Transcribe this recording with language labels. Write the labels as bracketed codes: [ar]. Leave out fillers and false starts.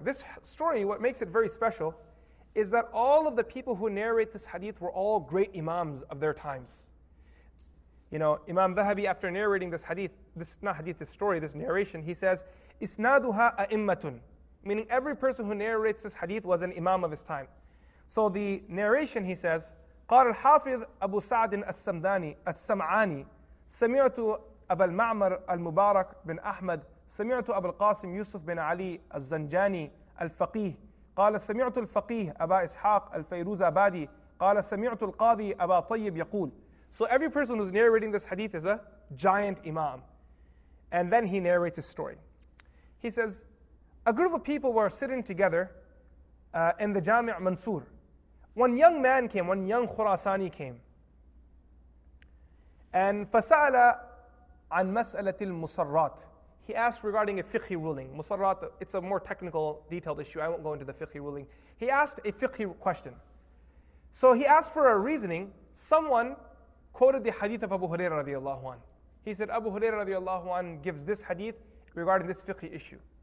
[en] This story, what makes it very special, is that all of the people who narrate this hadith were all great imams of their times. You know, Imam Dhahabi, after narrating this hadith, this narration, he says, [ar] إِسْنَادُهَا أَئِمَّةٌ, [en] meaning every person who narrates this hadith was an imam of his time. So the narration, he says, [ar] قَالَ الْحَافِظُ أَبُو سَعْدٍ السَّمْعَانِ سَمِعْتُ أَبَا الْمَعْمَرِ الْمُبَارَكُ بِنْ أَحْمَدْ سَمِعْتُ أَبَا الْقَاسِمِ يُوسُفْ بِنْ عَلِي الزَّنْجَانِي الْفَقِيهِ قَالَ سَمِعْتُ الْفَقِيهِ أَبَا إِسْحَاقَ الْفَيْرُوزَ أَبَادِي قَالَ سَمِعْتُ الْقَاضِي أَبَا طَيِّبْ يَقُولُ. [en] So every person who's narrating this hadith is a giant imam. And then he narrates his story. He says, a group of people were sitting together in the Jami' Mansur. One young Khurasani came. [ar] And فَسَأَلَ عَن مَسْأَلَةِ الْمُصَرَّاتِ. [en] He asked regarding a fiqhi ruling. Musarrat, it's a more technical, detailed issue. I won't go into the fiqhi ruling. He asked a fiqhi question. So he asked for a reasoning. Someone quoted the hadith of Abu Hurairah radiallahu anhu. He said, Abu Hurairah radiallahu anhu gives this hadith regarding this fiqhi issue.